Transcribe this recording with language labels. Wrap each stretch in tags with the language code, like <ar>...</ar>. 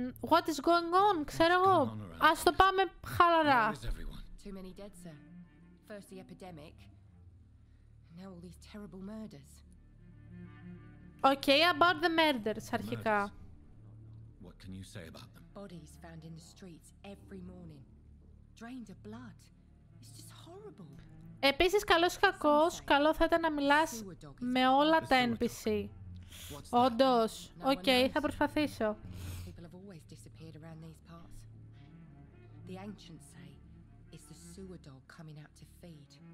<en>What is going on,</en> <el>ξέρω εγώ. Ας το πάμε χαλαρά.</el> <en>Too many dead, sir. First the epidemic. Now all these terrible murders. Οκ, about the murders,</en> <el>αρχικά.</el> <en>What can you say about them? Bodies found in the streets every morning, drained of blood. It's just horrible.</en> <el>Επίσης, καλός κακός, καλό θα ήταν να μιλάς με όλα τα NPC. Όντως. Οκ, θα προσπαθήσω.</el> <en>People have always disappeared around these parts. The ancients say it's the sewer dog coming out to feed.</en>